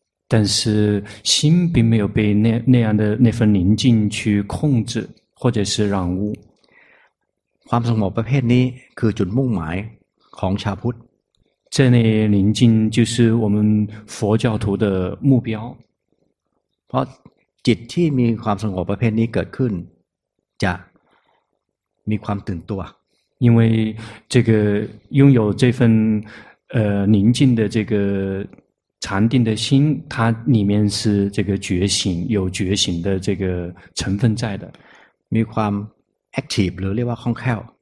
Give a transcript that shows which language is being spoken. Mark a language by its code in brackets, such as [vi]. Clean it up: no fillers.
[zh] 但是心并没有被那样的那份宁静去控制或者是染污 [th] ความสงบประเภทนี้คือจุดมุ่งหมายของชาวพุทธ [zh] 这类宁静就是我们佛教徒的目标 [th] เพราะจิตที่มีความสงบประเภทนี้เกิดขึ้นจะมีความตื่นตัว [zh] 因为这个拥有这份宁静的这个禅定的心，它里面是这个觉醒，有觉醒的这个成分在的。 [th] มีความ active หรือเรียกว่าคล่องแคล่ว